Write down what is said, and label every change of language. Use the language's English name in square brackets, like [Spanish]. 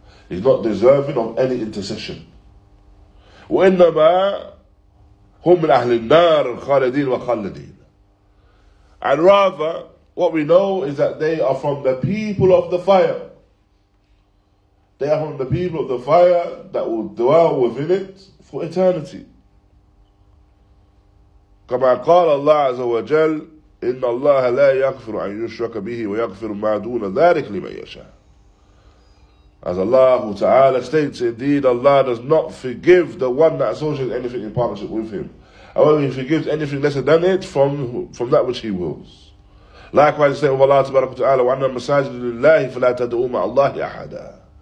[English] He's not deserving of any intercession. [Arabic] وَإِنَّمَا هُمْ مِنْ أَهْلِ النَّارِ خَالِدِينَ وَخَالِدِينَ. [English] And rather, what we know is that they are from the people of the fire. They are from the people of the fire that will dwell within it for eternity. [Arabic] كما قال الله عز وجل إن الله لا يغفر أن يشرك به ويغفر ما دون ذلك لمن يشاء. [English] As Allah Ta'ala states, indeed Allah does not forgive the one that associates anything in partnership with him. However, he forgives anything lesser than it from that which he wills. Likewise, the statement of Allah Ta'ala, [Arabic] اللَّهِ فَلَا تَدْعُوا مَعَ اللَّهِ أَحَدًا.